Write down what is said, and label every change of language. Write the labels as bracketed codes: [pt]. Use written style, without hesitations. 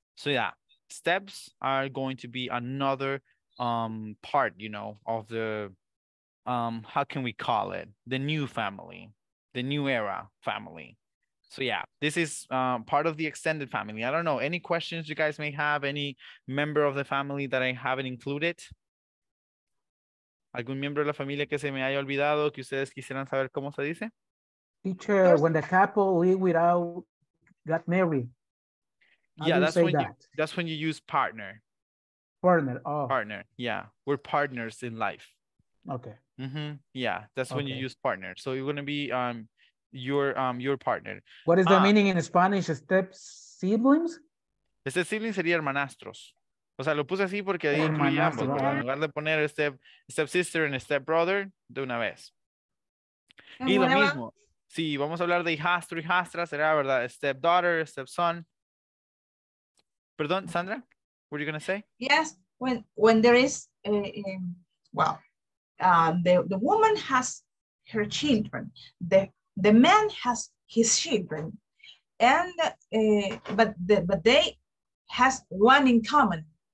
[en] So yeah, steps are going to be another part, you know, of the, how can we call it? The new family, the new era family. So yeah, this is part of the extended family. I don't know, any questions you guys may have, any member of the family that I haven't included? [es] ¿Algún miembro de la familia que se me haya olvidado que ustedes quisieran saber cómo se dice? [en] Teacher, when the couple live got married. How yeah, that's when that? You, that's when you use partner. Partner, oh. Partner, yeah. We're partners in life. Okay. Mm-hmm. Yeah, that's okay. When you use partner. So you're going to be your partner. What is the meaning in Spanish? Step siblings? Step siblings [es] sería hermanastros. O sea, lo puse así porque ahí incluíamos. En lugar de poner [en] step sister and step brother, [es] de una vez. Y lo mismo. Sí, vamos a hablar de hijastro, hijastra, será, ¿verdad? [en] Stepdaughter, stepson. [es] Perdón, [en] Sandra, what are you going to say? Yes, when there is, the woman has her children, the man has his children, and but they has one in common.